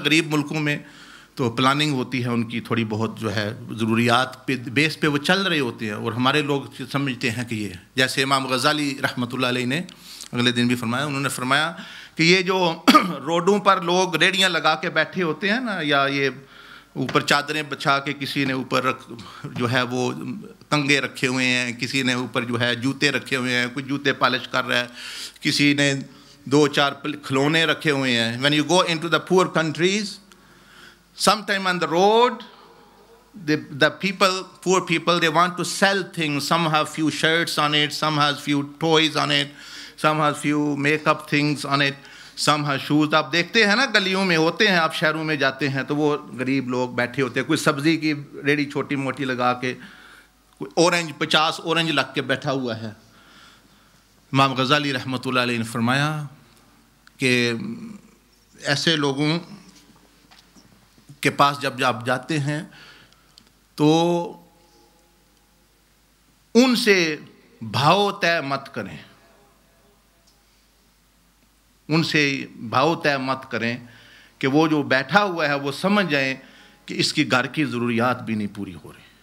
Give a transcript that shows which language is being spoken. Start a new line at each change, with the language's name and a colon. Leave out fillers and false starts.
Urdu: غریب ملکوں میں تو پلاننگ ہوتی ہے ان کی, تھوڑی بہت جو ہے ضروریات پہ بیس پہ وہ چل رہے ہوتے ہیں, اور ہمارے لوگ سمجھتے ہیں کہ یہ جیسے امام غزالی رحمۃ اللہ علیہ نے اگلے دن بھی فرمایا, انہوں نے فرمایا کہ یہ جو روڈوں پر لوگ ریڑیاں لگا کے بیٹھے ہوتے ہیں نا, یا یہ اوپر چادریں بچھا کے کسی نے اوپر جو ہے وہ کنگھے رکھے ہوئے ہیں, کسی نے اوپر جو ہے جوتے رکھے ہوئے ہیں, کچھ جوتے پالش کر رہا ہے, کسی نے 2-4 کھلونے رکھے ہوئے ہیں.
English: When you go into the poor countries some time on the road the people poor people they want to sell thing, some have few shirts on it, some has few toys on it, some has few make up things on it, some has shoes.
Urdu: آپ دیکھتے ہیں نا گلیوں میں ہوتے ہیں, آپ شہروں میں جاتے ہیں تو وہ غریب لوگ بیٹھے ہوتے ہیں, کوئی سبزی کی ریڑی چھوٹی موٹی لگا کے, کوئی اورنج 50 اورنج لگ کے بیٹھا ہوا ہے. امام غزالی رحمۃ اللہ علیہ نے فرمایا کہ ایسے لوگوں کے پاس جب آپ جاتے ہیں تو ان سے بھاؤ طے مت کریں, ان سے بھاؤ طے مت کریں کہ وہ جو بیٹھا ہوا ہے وہ سمجھ جائیں کہ اس کی گھر کی ضروریات بھی نہیں پوری ہو رہی.